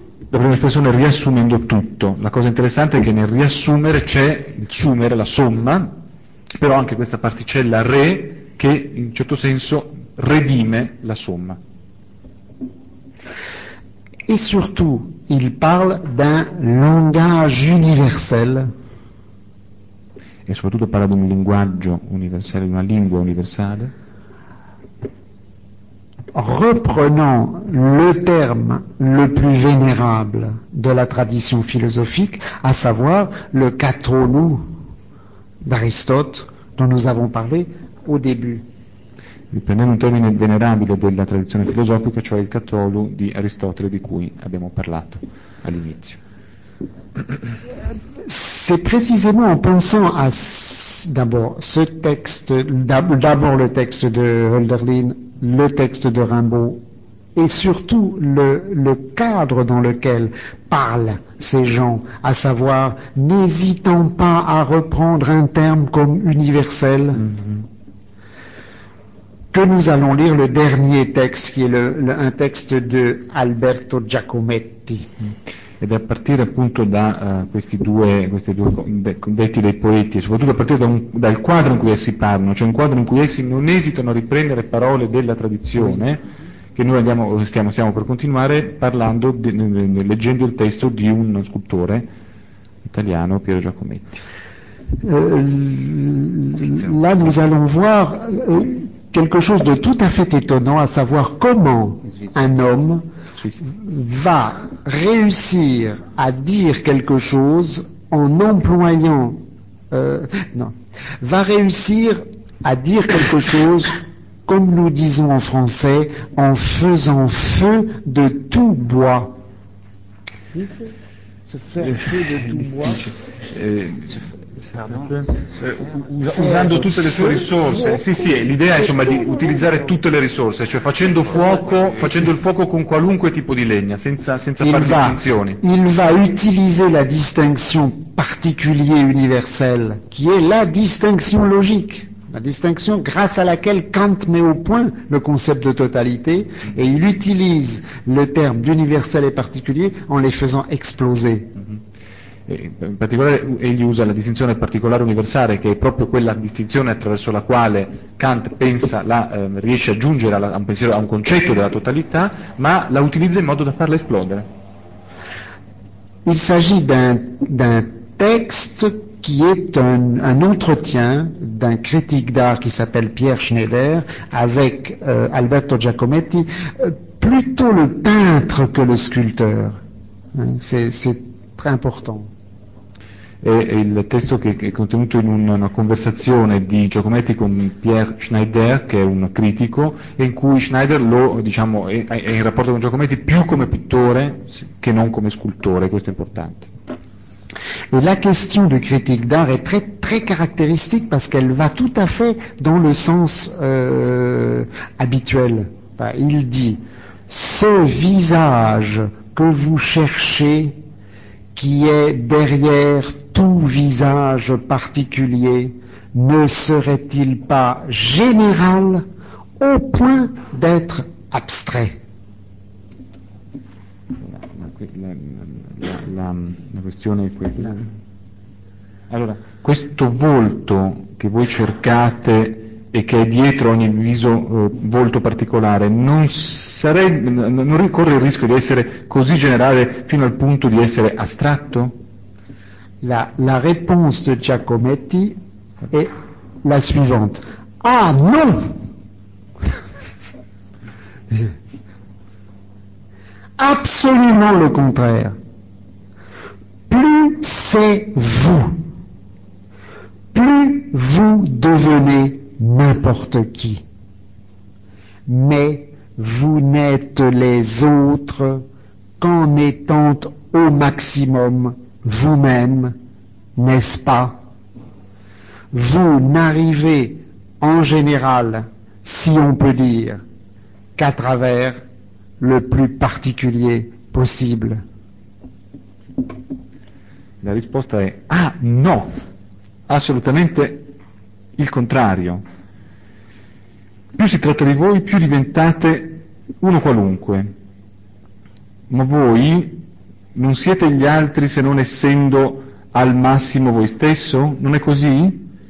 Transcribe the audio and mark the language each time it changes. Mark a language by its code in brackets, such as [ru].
[it] La prima espressione è riassumendo tutto. La cosa interessante è che nel riassumere c'è il sumere, la somma, però anche questa particella re che in certo senso redime la somma. E soprattutto [fr] il parla d'un langage universel. [it] E soprattutto parla di un linguaggio universale, di una lingua universale. [fr] Reprenant le terme le plus vénérable de la tradition philosophique, à savoir le catonou d'Aristote dont nous avons parlé au début. [it] Riprendendo un termine venerabile della tradizione filosofica, cioè il catonou di Aristotele di cui abbiamo parlato all'inizio. [fr] C'est précisément en pensant à d'abord ce texte, d'abord le texte de Hölderlin, le texte de Rimbaud et surtout le cadre dans lequel parlent ces gens, à savoir n'hésitant pas à reprendre un terme comme universel, que nous allons lire le dernier texte qui est un texte de Alberto Giacometti. [it] Ed è a partire appunto da questi due detti dei poeti, e soprattutto a partire dal quadro in cui essi parlano, cioè un quadro in cui essi non esitano a riprendere parole della tradizione, che noi stiamo per continuare parlando, leggendo il testo di un scultore italiano, Piero Giacometti. [fr] Là nous allons voir quelque chose de tout à fait étonnant, à savoir comment un homme va réussir à dire quelque chose en employant va réussir à dire quelque chose comme nous disons en français en faisant feu de tout bois. Se faire feu de tout bois. [it] usando tutte le sue risorse. Sì, sì, l'idea è insomma di utilizzare tutte le risorse, cioè facendo fuoco, facendo il fuoco con qualunque tipo di legna, senza fare distinzioni. [fr] Il va utilizzare la distinzione particulière universelle, qui [it] è la distinzione [fr] logique. La distinction grâce à laquelle Kant met au point le concept de totalité, et il utilise le terme d'universel et particulier en les faisant exploser. Mm-hmm. [it] In particolare, egli usa la distinzione particolare universale, che è proprio quella distinzione attraverso la quale Kant pensa, riesce a giungere a un pensiero, a un concetto della totalità, ma la utilizza in modo da farla esplodere. [fr] Il s'agit d'un texte qui est un entretien d'un critique d'art qui s'appelle Pierre Schneider avec Alberto Giacometti, plutôt le peintre que le sculpteur. C'est très important. [it] Et il testo che è contenuto in una conversazione di Giacometti con Pierre Schneider, che è un critico, in cui Schneider lo, diciamo, è in rapporto con Giacometti più come pittore che non come scultore, questo è importante. [fr] Et la question de critique d'art est très, très caractéristique parce qu'elle va tout à fait dans le sens habituel. Il dit, ce visage que vous cherchez, qui est derrière tout visage particulier, ne serait-il pas général au point d'être abstrait ? [it] La questione è questa. Allora, questo volto che voi cercate e che è dietro ogni viso volto particolare non ricorre il rischio di essere così generale fino al punto di essere astratto? [fr] La réponse de Giacometti è la suivante. Ah, non! Absolument le contraire. Plus c'est vous, plus vous devenez n'importe qui. Mais vous n'êtes les autres qu'en étant au maximum vous-même, n'est-ce pas? Vous n'arrivez en général, si on peut dire, qu'à travers le plus particulier possible. [it] La risposta è ah no, assolutamente il contrario. Più si tratta di voi, più diventate uno qualunque. Ma voi non siete gli altri se non essendo al massimo voi stesso? Non è così?